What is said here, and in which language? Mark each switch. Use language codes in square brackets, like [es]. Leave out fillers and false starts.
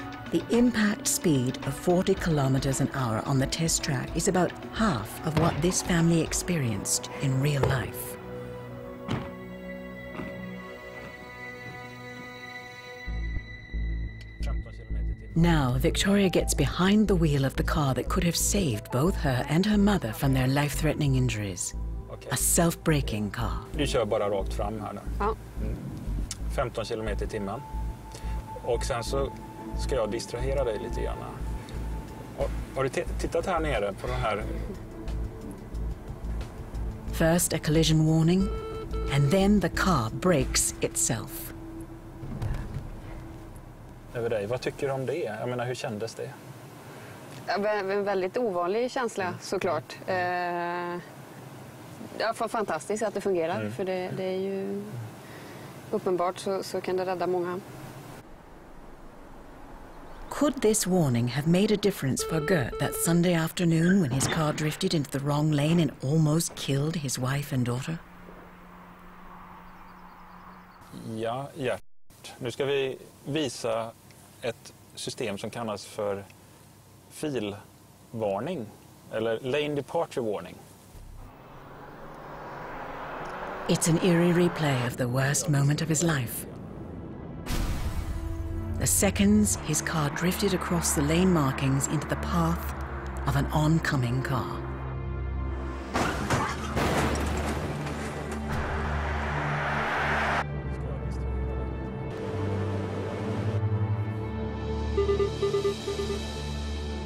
[en] The impact speed of 40 kilometers an hour on the test track is about half of what this family experienced in real life. Now, Victoria gets behind the wheel of the car that could have saved both her and her mother from their life-threatening injuries. A self-braking car. [sv] Vi kör bara rakt fram här nu. Ja. 15 km i timmen. Och sen så ska jag distrahera dig lite grann. Har du tittat här nere på den här? [en] First a collision warning, and then the car breaks itself. [sv] Över dig, vad tycker du om det? Jag menar, hur kändes det? En väldigt ovanlig känsla, såklart. Ja, fantastiskt att det fungerar, för det är ju uppenbart så kan det rädda många. [en] Could this warning have made a difference for Gert that Sunday afternoon when his car drifted into the wrong lane and almost killed his wife and daughter? [sv] Ja, Gert. Nu ska vi visa ett system som kallas för filvarning eller [en] lane departure warning. It's an eerie replay of the worst moment of his life. The seconds his car drifted across the lane markings into the path of an oncoming car.